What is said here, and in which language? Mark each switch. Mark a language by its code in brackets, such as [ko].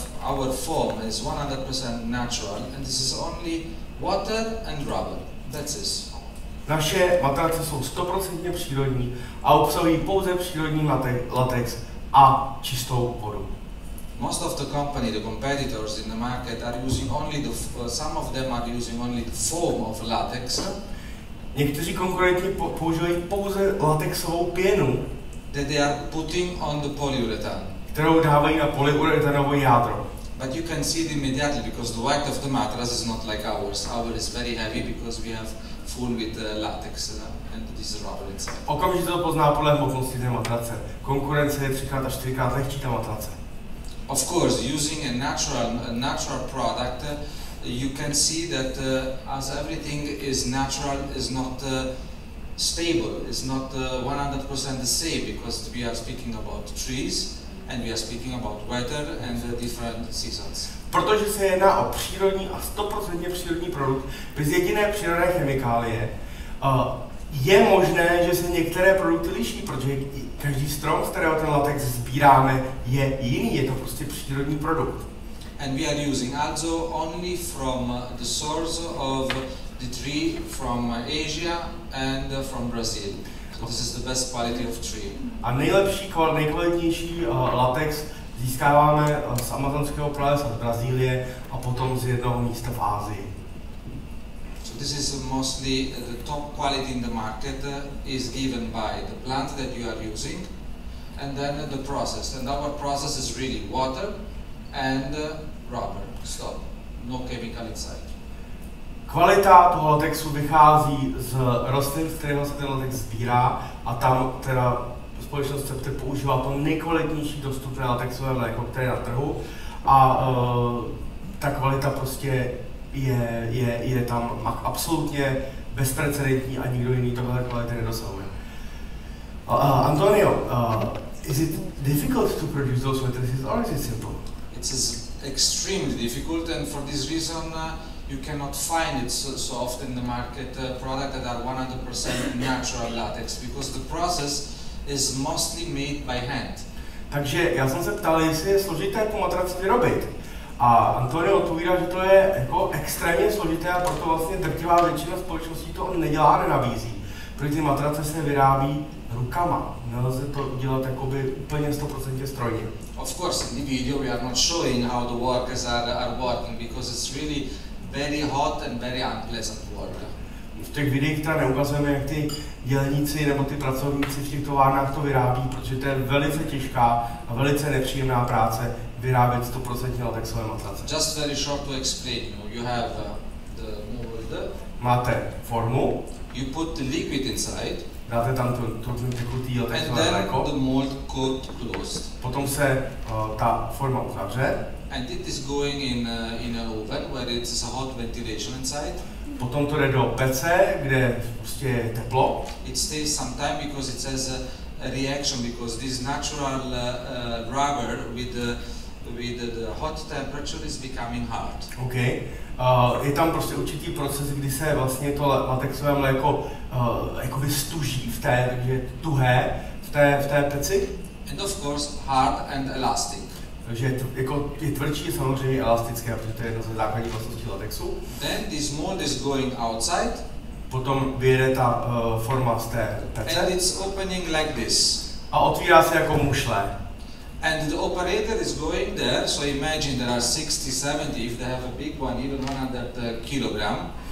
[en] Our foam is 100% natural and this is only water and rubber. That's it. [cs] Naše matrace jsou 100% přírodní a obsahují pouze přírodní latex a čistou vodu. [en] Most of the company, the competitors in the market are using only the some of them are using only the foam of latex. [cs] Někteří konkurenti používají pouze latexovou pěnu, [en] that they are putting on the polyurethane, [cs] kterou dávají na polyuretanové jádro. [en] But you can see it immediately because the weight of the matrix is not like ours. Ours is very heavy because we have full with latex and this rubber inside. [cs] Okamžitě to pozná podle hmotnosti té matrace. Konkurence je 3x až 4x lehčí ta matrace. [en] Of course, using a natural product, you can see that as everything is natural, is not stable, is not 100% the same because we are speaking about trees and we are speaking about weather and the different seasons. [cs] Protože se jedná o přírodní a 100% přírodní produkt bez jediné přírodné chemikálie, je možné, že se některé produkty liší, protože každý strom, z kterého ten latex sbíráme, je jiný, je to prostě přírodní produkt. [en] And we are using azo only from the source of the tree from Asia and from Brazil. So this is the best quality of tree. [cs] A nejlepší, nejkvalitnější latex získáváme z amazonského pralesa z Brazílie a potom z jednoho místa v Ázii. [en] So this is mostly the top quality in the market is given by the plant that you are using and then the process. And our process is really water and rubber. Stop. No chemical inside. [cs] Kvalita toho latexu vychází z rostlin, z kterého se ten latex sbírá a tam teda společnost CEPTE používá to nejkvalitnější dostupné latexové mléko, které je na trhu a ta kvalita prostě je tam absolutně bezprecedentní a nikdo jiný tohle kvality nedosahuje. [en] Antonio, is it difficult to produce those matrices or is it simple? It is extremely difficult and for this reason you cannot find it so often in the market product that are 100% natural latex because the process is mostly made by hand. [cs] Takže já jsem se ptal, jestli je složité tu matraci vyrobit. A Antonio odpovídá, že to je jako extrémně složité a proto vlastně drtivá většina společností to nedělá, nenabízí. Protože ty matrace se vyrábí rukama. Nelze to dělat jakoby úplně 100% strojně. [en] Of course, in the video we are not showing how the workers are working because it's really very hot and very unpleasant work. [cs] V těch videích teda neukazujeme, jak ty dělníci nebo ty pracovníci v těch továrnách to vyrábí, protože to je velice těžká a velice nepříjemná práce vyrábět 100% latexové matrace. [en] Just very short to explain, you have the mold. [cs] Máte formu. [en] You put the liquid inside. [cs] Dáte tam ten tekutý latexové mléko. [en] And then the mold could close. [cs] Potom se ta forma uzavře. [en] And it is going in an oven where it's a hot ventilation inside. [cs] Potom to jde do pece, kde prostě je teplo. [en] It stays some time because it has a reaction because this natural rubber with the hot temperature is becoming hard. Okay. [cs] Je tam prostě určitý proces, kdy se vlastně to latexové mléko jakoby stuží v té, takže tuhé v té peci. [en] And of course hard and elastic. [cs] Takže je tvrdší, samozřejmě elastické, protože to je jedna ze základních vlastností latexu. [en] Then this mold is going outside. [cs] Potom vyjede ta forma z té pece. [en] And it's opening like this. [cs] A otvírá se jako mušle. [en] And the operator is going there, so imagine there are 60, 70, if they have a big one, even 100 kilogram.